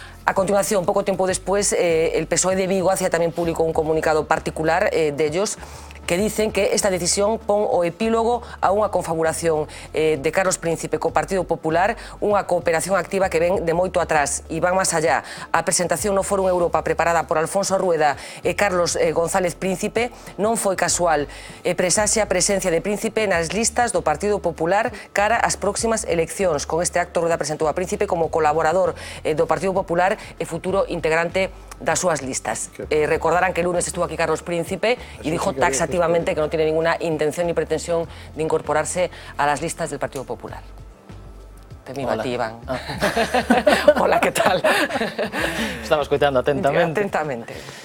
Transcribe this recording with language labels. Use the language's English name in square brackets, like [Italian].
[Spanish] A continuación, poco tiempo después, el PSOE de Vigo hacía también público un comunicado particular de ellos que dicen que esta decisión pone o epílogo a una confabulación de Carlos Príncipe co Partido Popular, una cooperación activa que [Galician] ven de moito atrás [Spanish] y van más allá. [Galician] A presentación no Fórum Europa preparada por Alfonso Rueda e Carlos González Príncipe, non foi casual presaxe a presencia de Príncipe nas listas do Partido Popular cara ás próximas eleccións. Con este acto Rueda presentou a Príncipe como colaborador do Partido Popular e futuro integrante das súas listas. [Spanish] Recordarán que lunes estuvo aquí Carlos Príncipe e dijo taxativamente que no tiene ninguna intención ni pretensión de incorporarse a las listas del Partido Popular. Te miro a ti, Iván. Ah. Hola, ¿qué tal? Estaba escuchando atentamente. Atentamente.